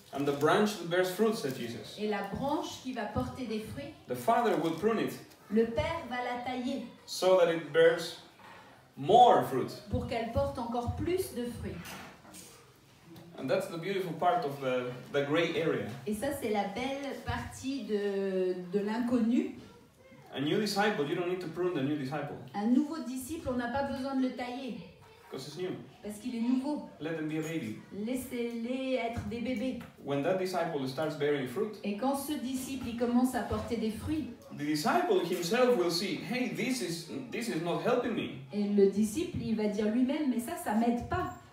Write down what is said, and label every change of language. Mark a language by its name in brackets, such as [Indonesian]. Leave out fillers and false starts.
[English] And the branch that bears fruit, said Jesus. [French] Et la branche qui va porter des fruits. [English] The Father will prune it. [French] Le Père va la tailler. [English] So that it bears more fruit. [French] Pour qu'elle porte encore plus de fruits. [English] And that's the beautiful part of the gray area. [French] Et ça c'est la belle partie de l'inconnu. [English] A new disciple, you don't need to prune the new disciple. [French] Un nouveau disciple, on n'a pas besoin de le tailler. [English] Because it's new. [French] Parce qu'il est nouveau. [English] Let them be a baby. [French] Laissez-les être des bébés. [English] When that disciple starts bearing fruit. [French] Et quand ce disciple il commence à porter des fruits. [English] The disciple himself will see, hey, this is not helping me. [French] Et le disciple il va dire lui-même, mais ça m'aide pas.